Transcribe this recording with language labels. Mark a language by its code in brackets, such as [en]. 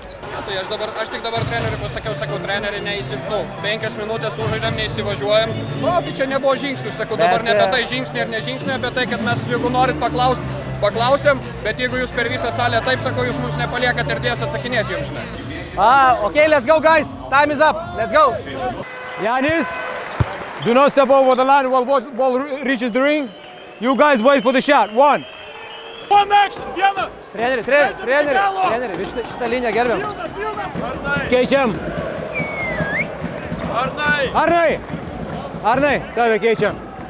[lt] Tai aš tik dabar treneriui pasakiau, treneriui neįsivažiuojam. 5 minutės užaidėm, neįsivažiuojam. Na, tai čia nebuvo žingsnių, sakau, dabar ne apie tai žingsnį ir ne žingsnį, apie tai, kad mes, jeigu norit paklausti, paklausėm, bet jeigu jūs per visą salę taip, sakau, jūs mums nepaliekat ir dės atsakinėti jums, žinai. [en] Okay, let's go, guys. Time is up. Let's go. Janis, do not step over the line while ball reaches the ring. You guys wait for the shot. One. [lt] Treneri, šitą liniją gerbiam. Arnai. Keičiam. Arnai, tave keičiam.